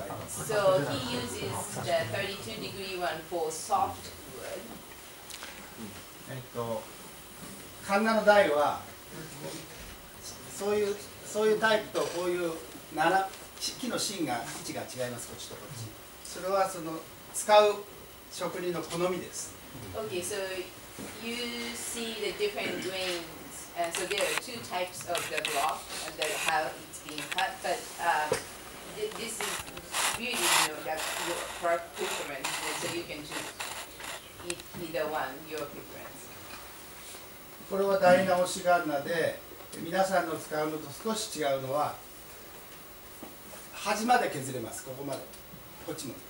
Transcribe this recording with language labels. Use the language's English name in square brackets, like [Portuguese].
[English] So he uses the 32 degree one for soft wood. [Japanese] カンナの台はそういうタイプとこういう木の芯が位置が違います。こっちとこっち。それはその使う職人の好みです。 [English] Okay, so you see the different grains, and so there are two types of the block and that how it's being cut, but this is beauty, you know, that's your preference, so you can choose either one, your preference. [Japanese] これは台直しガンナで、皆さんの使うのと少し違うのは、端まで削れます、ここまで、こっちも。